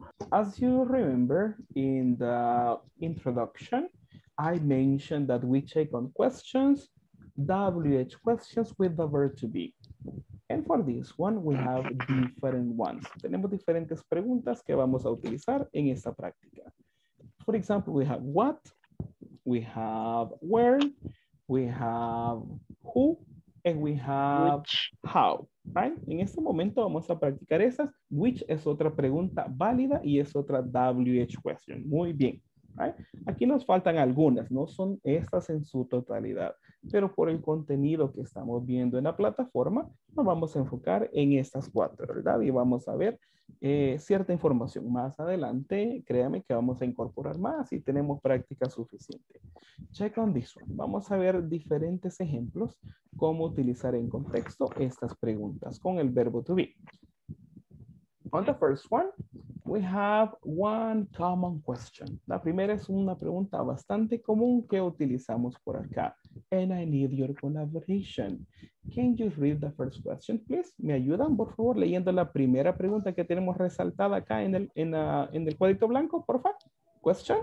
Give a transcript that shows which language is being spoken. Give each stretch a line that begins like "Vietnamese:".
English: As you remember in the introduction, I mentioned that we check on questions, WH questions with the verb to be. And for this one, we have different ones.
Spanish: Tenemos diferentes preguntas que vamos a utilizar en esta práctica.
English: For example, we have what, we have where, we have who, and we have which. How, right?
Spanish: En este momento vamos a practicar esas. Which es otra pregunta válida y es otra WH question. Muy bien, right? Aquí nos faltan algunas, no son estas en su totalidad, pero por el contenido que estamos viendo en la plataforma, nos vamos a enfocar en estas cuatro, ¿verdad? Y vamos a ver cierta información más adelante. Créame que vamos a incorporar más y tenemos práctica suficiente.
English: Check on this one.
Spanish: Vamos a ver diferentes ejemplos cómo utilizar en contexto estas preguntas con el verbo to be.
English: On the first one, we have one common question.
Spanish: La primera es una pregunta bastante común que utilizamos por acá.
English: And I need your collaboration. Can you read the first question, please?
Spanish: ¿Me ayudan, por favor, leyendo la primera pregunta que tenemos resaltada acá en el cuadrito blanco, por favor?
English: Question?